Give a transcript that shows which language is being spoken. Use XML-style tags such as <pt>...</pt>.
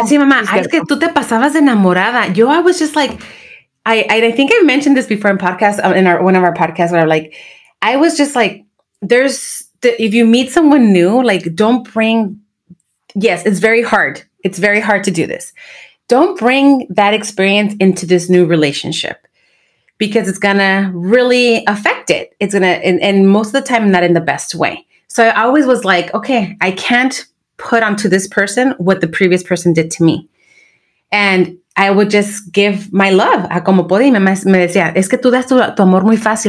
<es>Sí, mamá, es, cierto. Es que tú te pasabas enamorada.</es> <en>Yo, I was just like, I think I mentioned this before in podcast, in our, one of our podcasts, where like, I was just like, there's, if you meet someone new, like, don't bring, yes, it's very hard. It's very hard to do this. Don't bring that experience into this new relationship, because it's going to really affect it. It's going to, and most of the time, not in the best way. So I always was like, okay, I can't put onto this person what the previous person did to me. And I would just give my love.</en> <es>A como podía, y me decía, es que tú das tu amor muy fácil.</es>